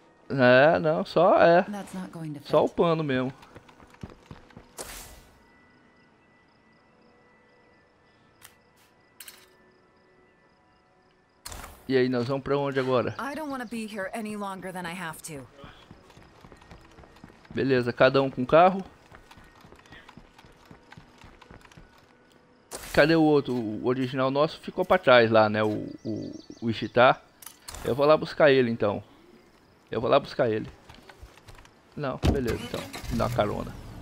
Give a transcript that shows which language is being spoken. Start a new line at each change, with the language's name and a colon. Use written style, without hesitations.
Portuguese: É, não, só é. Só o pano mesmo. E aí, nós vamos pra onde agora?
English: I don't want to be here any longer than I have to.
Portuguese: Beleza, cada um com carro. Cadê o outro? O original nosso ficou pra trás lá, né? O Ishitar. Eu vou lá buscar ele, então. Eu vou lá buscar ele. Não, beleza, então. Me dá uma carona.